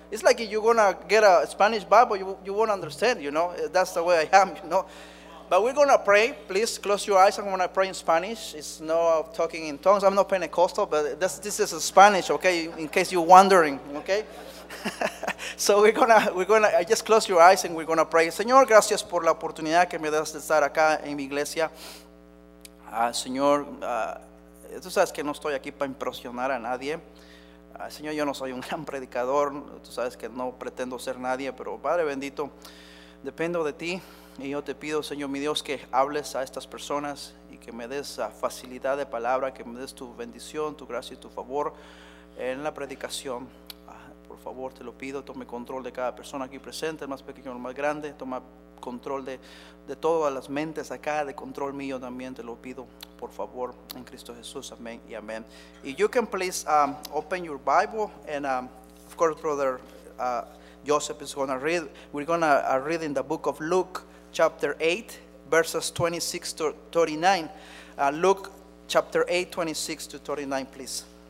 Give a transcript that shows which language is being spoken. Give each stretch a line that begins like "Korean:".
English: It's like if you're going to get a Spanish Bible, you won't understand, you know. That's the way I am, you know. But we're going to pray. Please close your eyes. I'm going to pray in Spanish. It's no talking in tongues. I'm not Pentecostal, but this is Spanish, okay, in case you're wondering, okay. So we're gonna just close your eyes and we're going to pray.
Spanish: Señor, gracias por la oportunidad que me das de estar acá en mi iglesia. Señor, tú sabes que no estoy aquí para impresionar a nadie. Señor, yo no soy un gran predicador. Tú sabes que no pretendo ser nadie, pero Padre bendito, dependo de ti. Y yo te pido, Señor, mi Dios, que hables a estas personas y que me des facilidad de palabra, que me des tu bendición, tu gracia y tu favor en la predicación. Por favor, te lo pido, tome control de cada persona aquí presente, el más pequeño, el más grande, toma control de todas las mentes acá, de control mío también, te lo pido por favor, en Cristo Jesús, amén y amén.
English: Y you can please open your Bible, and of course Brother Joseph is going to read, we're going to read in the book of Luke, chapter 8, verses 26 to 39. Luke, chapter 8, 26 to 39, please.